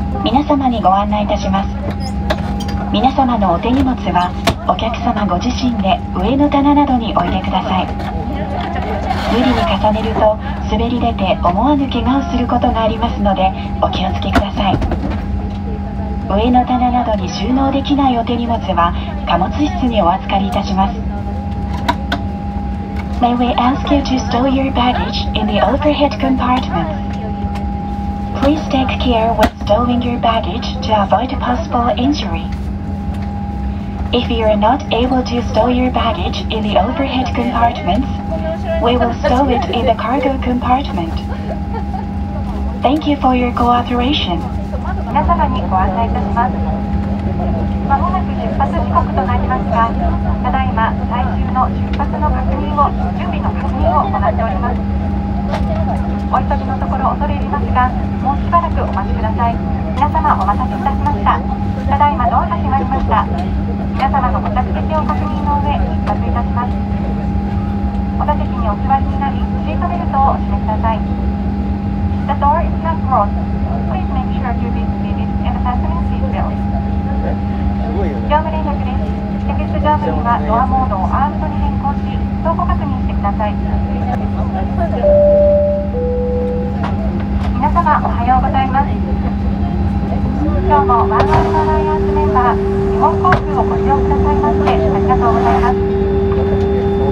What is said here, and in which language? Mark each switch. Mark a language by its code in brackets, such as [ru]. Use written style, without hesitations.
[ja] 皆様にご案内いたします。皆様のお手荷物はお客様ご自身で上の棚などに置いてください。無理に重ねると滑り出て思わぬ怪我をすることがありますのでお気をつけください。上の棚などに収納できないお手荷物は貨物室にお預かりいたします。 [en] May we ask you to store your baggage in the overhead compartment. Please take care with stowing your baggage to avoid possible injury. If you are not able to stow your baggage in the overhead compartments, we will stow it in the cargo compartment. Thank you for your cooperation. [ja] 皆様にご案内いたします。まもなく出発時刻となりますが、ただいま最終の出発の確認を準備の確認を行っております。お急ぎのところ恐れ入りますが、もうしばらくお待ちください。皆様お待たせいたしました。ただいまドアが閉まりました。皆様のご着席を確認の上出発いたします。お座席にお座りになり、シートベルトをお締めください。 [en] The door is not closedPlease make sure you be seated and fasten your seat belt. [ja] 業務連絡です。客室乗務員はドアモードをアームドに変更し、走行確認してください。皆様おはようございます。今日もワーワールドアライアンスメンバー、日本航空をご利用くださいましてありがとうございます。